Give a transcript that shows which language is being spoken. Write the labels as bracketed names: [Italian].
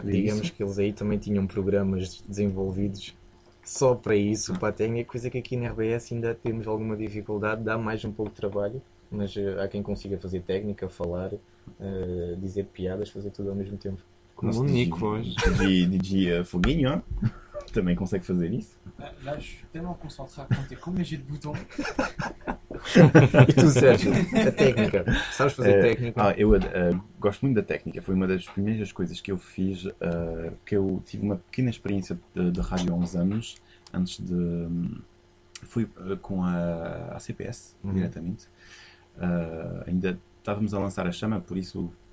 [Portuguese] Digamos isso. Que eles aí também tinham programas desenvolvidos só para isso, para a técnica, coisa que aqui na RBS ainda temos alguma dificuldade, dá mais um pouco de trabalho, mas há quem consiga fazer técnica, falar, dizer piadas, fazer tudo ao mesmo tempo. Como o Nico hoje. DJ Foguinho, hein? Também consegue fazer isso. [French] Là, je suis tellement concentré à compter combien j'ai de boutons. [Portuguese] E tu, Sérgio? A técnica. Sabes fazer técnica? Eu gosto muito da técnica. Foi uma das primeiras coisas que eu fiz, que eu tive uma pequena experiência de rádio há uns anos, antes de... Fui com a CPS, diretamente. Ainda estávamos a lançar a chama, por isso...